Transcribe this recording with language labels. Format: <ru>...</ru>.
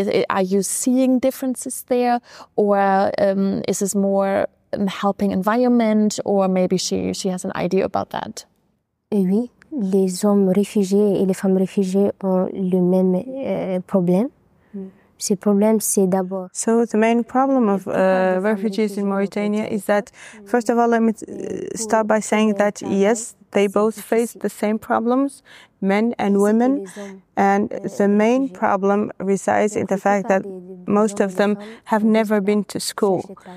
<en>Are you seeing differences there, or is this more a helping environment, or maybe she has an idea about that?</en> <fr>Oui, les hommes réfugiés et les femmes réfugiées ont le même problème.</fr> <en>So the main problem of refugees in Mauritania is that, first of all, let me start by saying that, yes, they both face the same problems, men and women. And the main problem resides in the fact that most of them have never been to school.</en>